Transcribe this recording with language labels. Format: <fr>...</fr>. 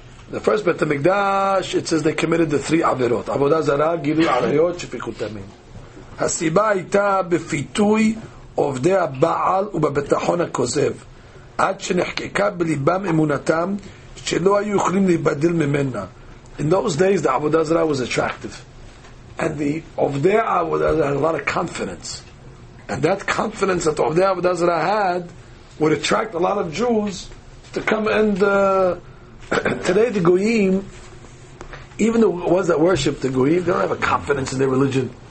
<en>The first Beit HaMikdash, it says they committed the three Averot. Avodah Zarah, Gilui Arayot, Shefichut Damim.</en> <he>Hasiba hayta befitui עובדי הבעל ובביטחון הכוזב, עד שנחקקה בליבם אמונתם שלא היו יכולים להיבדל ממנה.</he> <en>In those days, the Avodah Zarah was attractive. And the עובדי Avodah Zarah had a lot of confidence. And that confidence that עובדי Avodah Zarah had would attract a lot of Jews to come and... today the Goyim, even the ones that worship the Goyim, they don't have a confidence in their religion.</en>